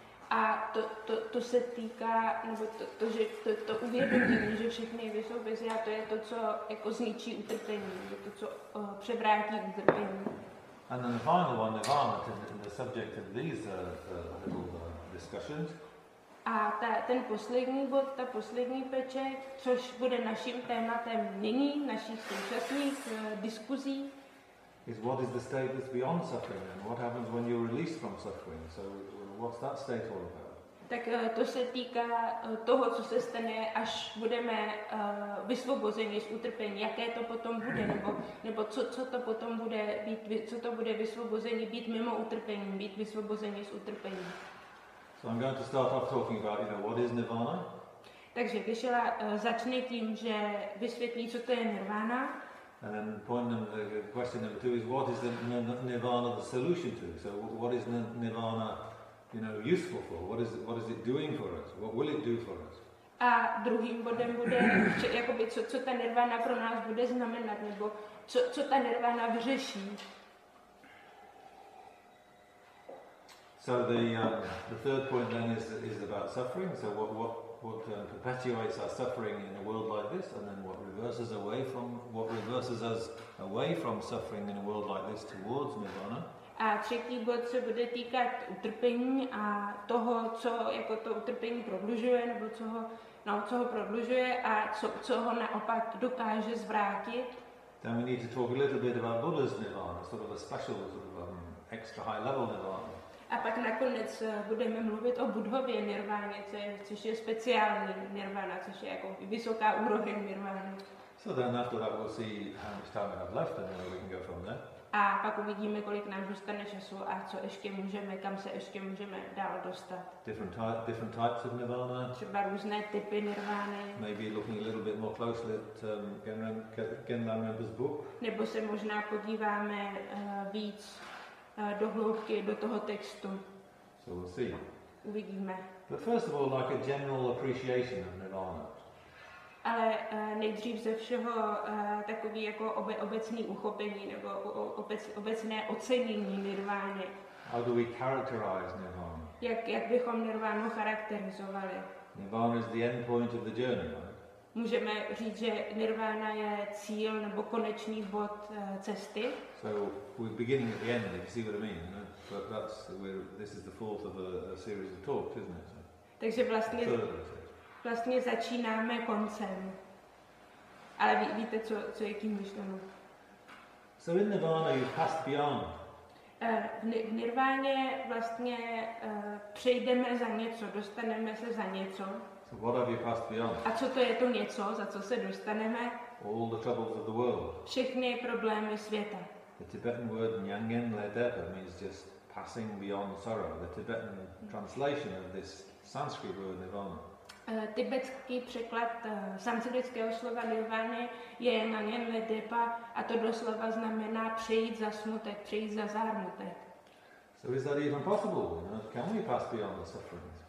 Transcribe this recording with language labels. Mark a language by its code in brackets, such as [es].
[cs] A to se týká, nebo to že to uvědomění, že všechny jevy jsou bez já, to je to, co jako zničí utrpení, to, co převrátí utrpení. [en] And then the final one, nirvana, in the subject of these little discussions. [cs] A ten poslední bod, ta poslední peček, což bude naším tématem nyní, našich současných diskuzí. [en] Is what is the state that's beyond suffering, and what happens when you're released from suffering? So, what's that state all about? [cs] Tak to se týká toho, co se stane, až budeme vysvobozeni z utrpení. Jaké to potom bude, nebo co to potom bude být, co to bude vysvobození, být mimo utrpení, být vysvobozeni z utrpení. [en] So, I'm going to start off talking about, you know, what is nirvana? [cs] Takže Vishala začne tím, že vysvětlí, co to je nirvana. [en] And then question number two is what is the nirvana the solution to? So what is nirvana, you know, useful for? What is it doing for us? What will it do for us? [cs] A druhým bodem bude, jakoby co ta nirvana pro nás bude znamenat, nebo co ta nirvana vyřeší? [en] So the third point then is about suffering. So what perpetuates our suffering in a world like this, and then what reverses us away from suffering in a world like this towards nirvana. [cs] A třetí bod se bude týkat utrpení a toho, co jako to utrpení prodlužuje, nebo co ho prodlužuje a co ho naopak dokáže zvrátit. [en] Then we need to talk a little bit about Buddha's nirvana, sort of a special, sort of extra high level nirvana. [cs] A pak nakonec budeme mluvit o Buddhově nirváně, což je speciální nirvana, což je jako vysoká úroveň nirvány. [en] So then after that we'll see how much time we have left and then we can go from there. [cs] A pak uvidíme, kolik nám zůstane času a co ještě můžeme, kam se ještě můžeme dál dostat. [en] Different types of nirvana. [cs] Třeba různé typy nirvány. [en] Maybe looking a little bit more closely at Genran Rinpoche's book. [cs] Nebo se možná podíváme víc do hloubky do toho textu. [en] So we'll see. [cs] Uvidíme. [en] But first of all, like a general appreciation of nirvana. [cs] Ale nejdřív ze všeho takový jako obecný uchopení nebo obecné ocenění nirvány. [en] How do we characterize nirvana? [cs] Jak bychom nirvánu charakterizovali? [en] Nirvana is the end point of the journey, right? [cs] Můžeme říct, že nirvana je cíl nebo konečný bod cesty. [en] So we're beginning at the end, if you see what I mean. But this is the fourth of a series of talks, isn't it? [cs] Takže vlastně začínáme koncem. Ale víte, co je tím myšleno. [en] So in nirvana you've passed beyond. [cs] V nirváně vlastně přejdeme za něco, dostaneme se za něco. [en] So what have you passed beyond? [cs] A co to je to něco, za co se dostaneme? [en] All the troubles of the world. [cs] Všechny problémy světa. [en] The Tibetan word Nyangin Ledepa means just passing beyond sorrow. The Tibetan translation of this Sanskrit word Nirvana. [cs] Tibetský překlad sanskritského slova nirvány je Nyangin Ledepa a to doslova znamená přejít za smutek, přejít za zármutek. [en] So is that even possible? You know, can we pass beyond the suffering?